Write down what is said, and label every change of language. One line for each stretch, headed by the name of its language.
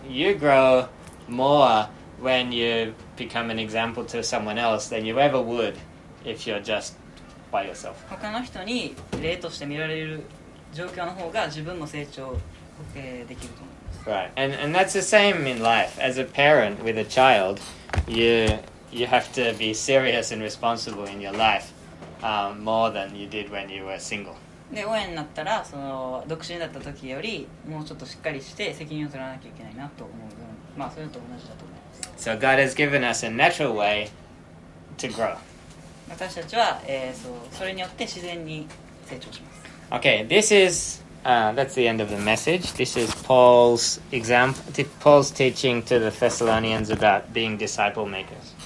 English: You grow more when you become an example to someone else than you ever would if you're just by yourself.
Japanese: 他の人に例として見られる状況の方が自分も成長、できると思います。
English: Right. And that's the same in life. As a parent with a child. You have to be serious and responsible in your life、more than you did when you were single.
Japanese: で、親になったらその独身だった時よりもうちょっとしっかりして責任を取らなきゃいけないなと思う。まあそれと同じだと思います。
English: So God has given us a natural way to grow.
Japanese: 私たちは、それによって自然に成長します。
English: Okay, this is、that's the end of the message. This is Paul's example, Paul's teaching to the Thessalonians about being disciple makers.